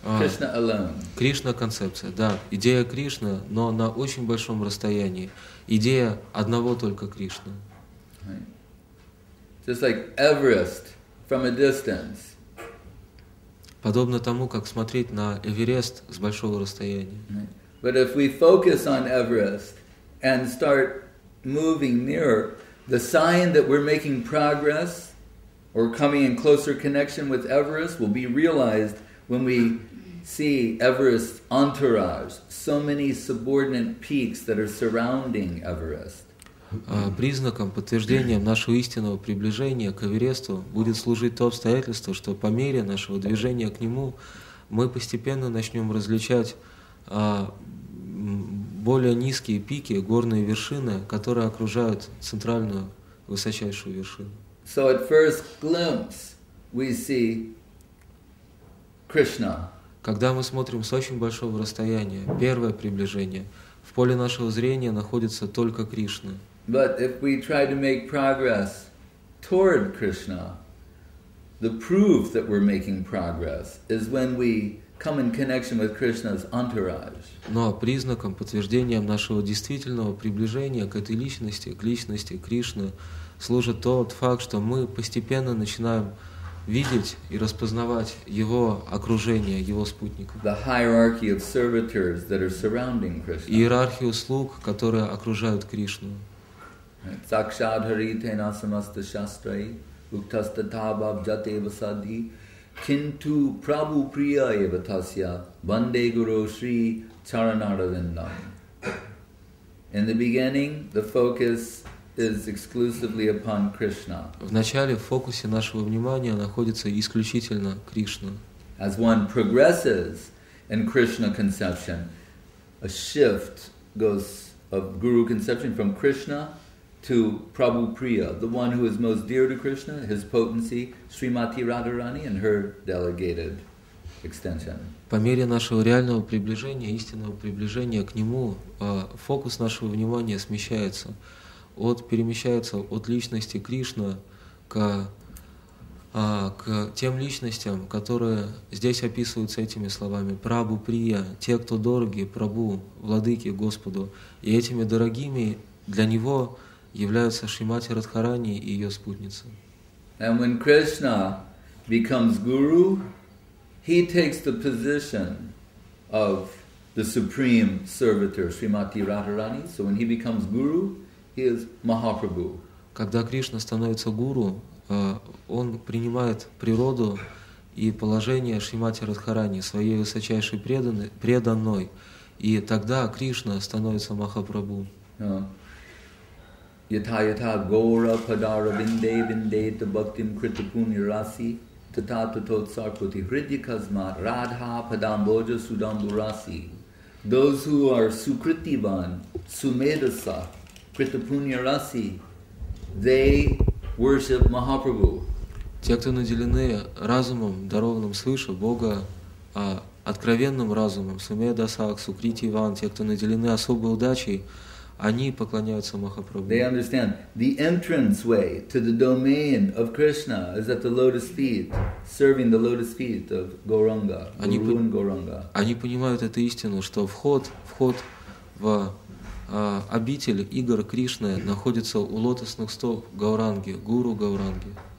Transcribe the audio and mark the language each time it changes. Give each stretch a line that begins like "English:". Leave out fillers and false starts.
English: Krishna alone.
Russian: Кришна концепция, да. Идея Кришны, но на очень большом расстоянии. Идея одного только Кришны.
English: Right. Just like Everest from a distance.
Russian: Подобно тому, как смотреть на Эверест с большого расстояния.
English: Right. But if we focus on Everest and start moving nearer, the sign that we're making progress or coming in closer connection with Everest will be realized when we see Everest's entourage, so many subordinate peaks that are surrounding Everest.
Russian: Признаком, подтверждением нашего истинного приближения к Эвересту будет служить то обстоятельство, что по мере нашего движения к нему мы постепенно начнем различать более низкие пики, горные вершины, которые окружают центральную высочайшую вершину.
English: So at first glimpse we see Krishna.
Russian: Когда мы смотрим с очень большого расстояния, первое приближение, в поле нашего зрения находится только Кришна.
English: But if we try to make progress toward Krishna, the proof that we're making progress is when we come in connection with Krishna's entourage.
Russian: Но признаком, подтверждением нашего действительного приближения к этой личности, к личности Кришны, служит тот факт, что мы постепенно начинаем видеть и распознавать его окружение, его спутников.
English: The hierarchy of servitors that are surrounding Krishna.
Russian: Иерархию слуг, которые окружают Кришну.
Sanskrit: Сакшад харите насамаста шастрай уктастата бабджате васади кинту прабу прия еватасья банде гуру шри чаранаравиндам.
English: In the beginning, the focus is exclusively upon Krishna.
Russian: Вначале в фокусе нашего внимания находится исключительно Кришна.
English: As one progresses in Krishna conception, a shift goes of guru conception from Krishna to Prabhupriya, the one who is most dear to Krishna, his potency, Srimati Radharani, and her delegated extension.
Russian: По мере нашего реального приближения, истинного приближения к нему, фокус нашего внимания смещается. Перемещается от личности Кришны к тем личностям, которые здесь описываются этими словами. Прабу Прия, те, кто дороги Прабу, владыки Господу. И этими дорогими для него являются Шримати Радхарани и ее спутницы.
English: And when Krishna becomes guru, he takes the position of the supreme servitor, Shrimati Radharani. So when he becomes guru, he is Mahaprabhu.
Russian: Когда Кришна становится гуру, он принимает природу и положение Шримати Радхарани, своей высочайшей преданной, и тогда Кришна становится Махапрабху.
Sanskrit: Yata yata gaura padara vinde vinde to bhaktim krita puni rasi tata tato sarkuti hridikasma radha padamboja sudamburasi.
English: Those who are sukritivan, sumedasa, krita puni rasi, they worship Mahaprabhu.
Russian: Те, кто наделены разумом, дарованным свыше Бога, откровенным разумом, сумедаса, сукритиван, те, кто наделены особой удачей, они поклоняются Махапрабху.
English: They understand the entrance way to the domain of Krishna is at the lotus feet, serving the lotus feet of Gauranga, Guru and Gauranga.
Russian: Они понимают эту истину, что вход в обитель игр Кришны находится у лотосных стоп Гауранги, Гуру Гауранги.